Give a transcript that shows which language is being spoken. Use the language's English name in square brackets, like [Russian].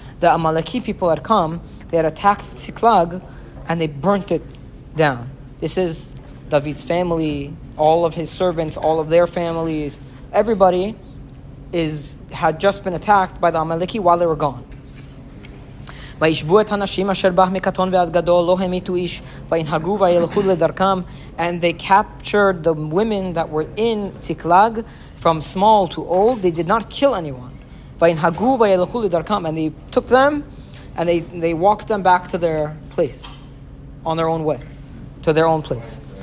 [English] The Amaleki people had come, they had attacked Tziklag, and they burnt it down. This is David's family, all of his servants, all of their families, everybody had just been attacked by the Amaleki while they were gone. [Hebrew] וישבו את הנשים אשר בהם מקטון ועד גדול, לא המיתו איש, וינהגו וילכו לדרכם. [English] And they captured the women that were in Tziklag, from small to old. They did not kill anyone. [Hebrew] וינהגו וילכו לדרכם. [English] And they took them, and they walked them back to their place, on their own way, to their own place.